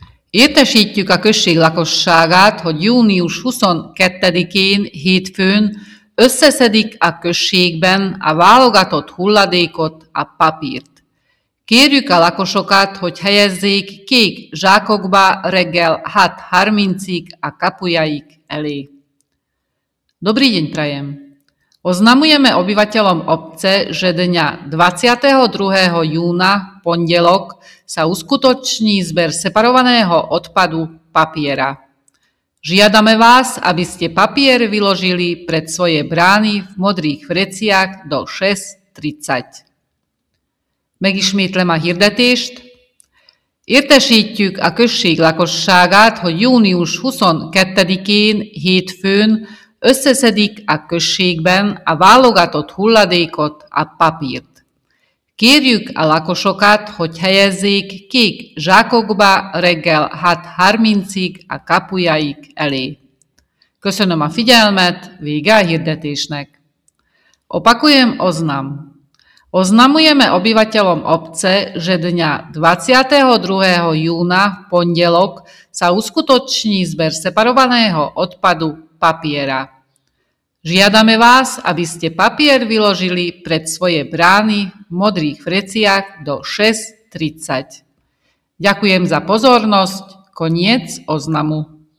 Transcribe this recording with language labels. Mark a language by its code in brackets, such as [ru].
[hu] Értesítjük a község lakosságát, hogy június 22-én hétfőn összeszedik a községben a válogatott hulladékot, a papírt. Kérjük a lakosokat, hogy helyezzék kék zsákokba reggel 6:30-ig a kapujaik elé. [sk] Dobrý deň prajem! Oznamujeme obyvateľom obce, že dňa 22. júna, pondelok, sa uskutoční zber separovaného odpadu papiera. Žiadame vás, aby ste papier vyložili pred svoje brány v modrých vreciach do 6:30. [hu] Megismétlem a hirdetést. Értesítjük a község lakosságát, hogy június 22-én, hétfőn, összeszedik a községben a válogatott hulladékot, a papírt. Kérjük a lakosokat, hogy helyezzék kék zsákokba reggel 6:30-ig a kapujaik elé. Köszönöm a figyelmet, vége a hirdetésnek. [sk] Opakujem oznam. Oznamujeme obyvateľom obce, že dňa 22. júna, pondelok, sa uskutoční zber separovaného odpadu papiera. Žiadame vás, aby ste papier vyložili pred svoje brány v modrých vreciach do 6:30. Ďakujem za pozornosť. Koniec oznamu.